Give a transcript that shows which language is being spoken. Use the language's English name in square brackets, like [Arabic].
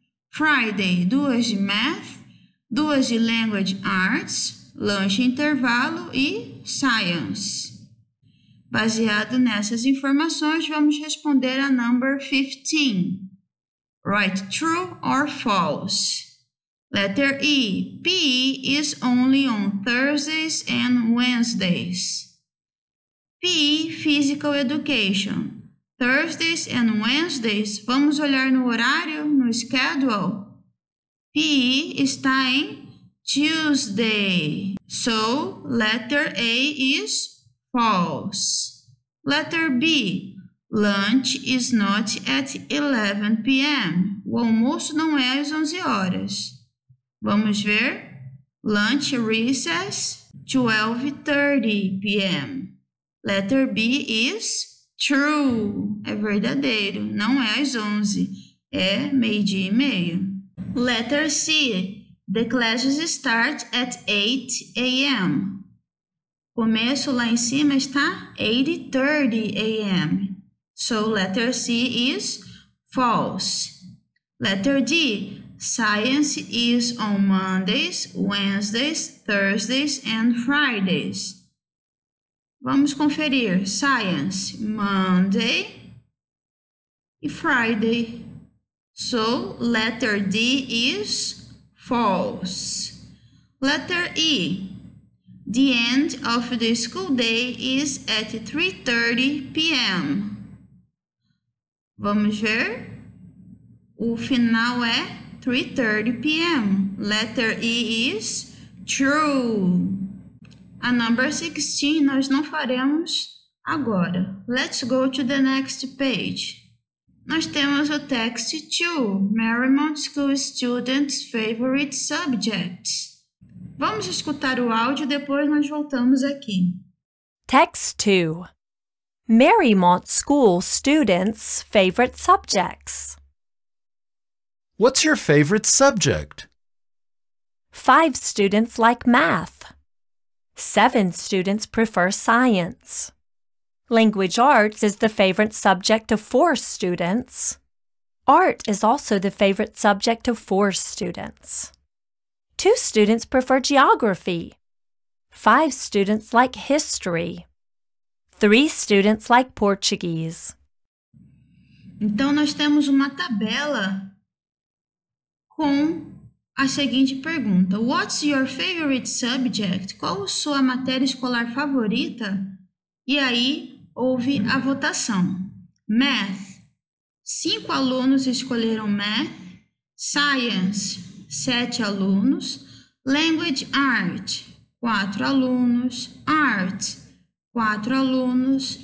[Portuguese] Friday, duas de math, duas de language arts, lunch, intervalo e science. Baseado nessas informações, vamos responder a number 15. [English] Write true or false. Letter E. PE is only on Thursdays and Wednesdays. PE, Physical Education. Thursdays and Wednesdays, [Portuguese] vamos olhar no horário, no [English] schedule. [Portuguese] PE está em Tuesday. [English] So, letter A is false. Letter B, lunch is not at 11 p.m. [Portuguese] O almoço não é às 11 horas. Vamos ver. [English] Lunch recess, 12:30 p.m. Letter B is true. [Portuguese] É verdadeiro. Não é às 11. É meio-dia e meio. [English] Letter C. The classes start at 8 a.m. [Portuguese] O começo lá em cima está 8:30 a.m. [English] So, letter C is false. Letter D. Science is on Mondays, Wednesdays, Thursdays and Fridays. [Portuguese] Vamos conferir. Science, Monday e Friday. [English] So, letter D is false. Letter E. The end of the school day is at 3:30 p.m. [Portuguese] Vamos ver. O final é 3:30 p.m. [English] Letter E is true. [Portuguese] A number 16 nós não faremos agora. [English] Let's go to the next page. [Portuguese] Nós temos o [English] text 2, Marymount School Student's Favorite Subjects. [Portuguese] Vamos escutar o áudio, depois nós voltamos aqui. [English] Text 2. Marymount School Student's Favorite Subjects. What's your favorite subject? 5 students like math. 7 students prefer science. Language arts is the favorite subject of 4 students. Art is also the favorite subject of 4 students. 2 students prefer geography. 5 students like history. 3 students like Portuguese. [Portuguese] Então, nós temos uma tabela com a seguinte pergunta. [English] What's your favorite subject? [Portuguese] Qual a sua matéria escolar favorita? E aí, houve a votação. Math. 5 alunos escolheram math. [English] Science. 7 alunos. Language art. [Portuguese] 4 alunos. Art. 4 alunos.